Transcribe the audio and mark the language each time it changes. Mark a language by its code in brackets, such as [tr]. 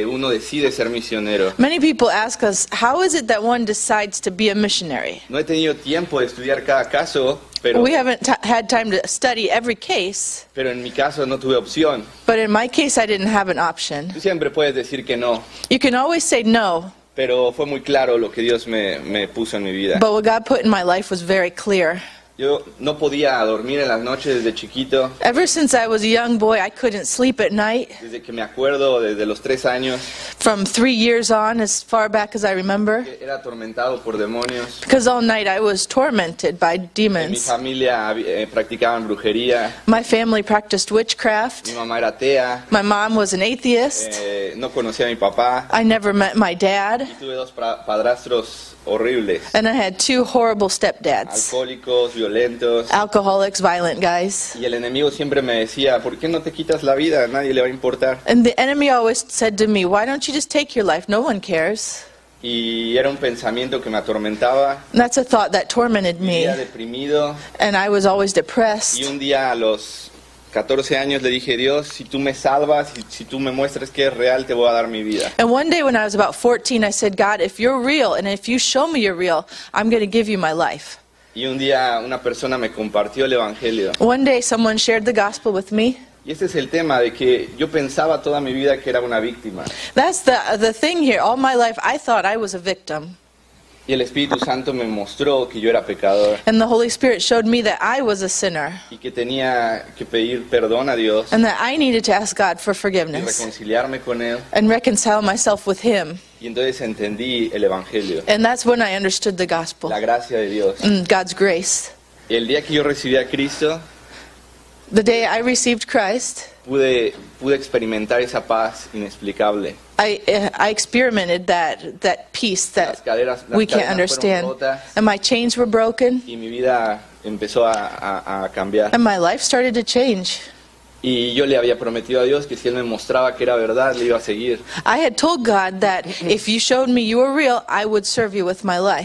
[en] Many people ask us, how is it that one decides to be a missionary? [es] No he tenido tiempo de estudiar cada caso, pero, [en] we haven't had time to study every case. [es] Pero en mi caso no tuve opción. [en] But in my case, I didn't have an option. [es] Tú siempre puedes decir que no. [en] You can always say no. [es] Pero fue muy claro lo que Dios me puso en mi vida. [en] But what God put in my life was very clear. [es] Yo no podía dormir en las noches desde chiquito. [en] Ever since I was a young boy, I couldn't sleep at night. [es] Desde que me acuerdo, desde los 3 años. [en] From 3 years on, as far back as I remember. [es] Era atormentado por demonios. [en] Because all night I was tormented by demons. [es] En mi familia practicaban brujería. [en] My family practiced witchcraft. [es] Mi mamá era atea. [en] My mom was an atheist. [es] No conocía a mi papá. [en] I never met my dad. [es] Y tuve dos padrastros. Horribles. [en] And I had two horrible stepdads. [es] Alcohólicos, violentos. [en] Alcoholics, violent guys. [es] Y el enemigo siempre me decía, ¿por qué no te quitas la vida? Nadie le va a importar. [en] And the enemy always said to me, why don't you just take your life? No one cares. [es] Y era un pensamiento que me atormentaba. [en] And that's a thought that tormented me. [es] Vivía deprimido. [en] And I was always depressed. [es] Y un día a los 14 años le dije, Dios, si tú me salvas, si tú me muestras que es real, te voy a dar mi vida. [en] And one day when I was about 14, I said, God, if you're real and if you show me you're real, I'm going to give you my life. [es] Y un día una persona me compartió el evangelio. [en] One day someone shared the gospel with me. [es] Y ese es el tema de que yo pensaba toda mi vida que era una víctima. [en] That's the thing here. All my life I thought I was a victim. [es] Y el Espíritu Santo me mostró que yo era pecador. [en] And the Holy Spirit showed me that I was a sinner. [es] Y que tenía que pedir perdón a Dios. [en] And that I needed to ask God for forgiveness. [es] Y reconciliarme con Él. [en] And reconcile myself with Him. [es] Y entonces entendí el Evangelio. [en] And that's when I understood the gospel. [es] La gracia de Dios. [en] God's grace. [es] Y el día que yo recibí a Cristo. [en] The day I received Christ. [es] Pude experimentar esa paz inexplicable. [en] I experimented that peace that [es] las caderas [en] we can't understand. [es] Rotas, [en] and my chains were broken. [es] Y mi vida empezó a cambiar. [en] And my life started to change. [es] Y yo le había prometido a Dios que si él me mostraba que era verdad, le iba a seguir. [en] I had told God that if you showed me you were real, I would serve you with my life.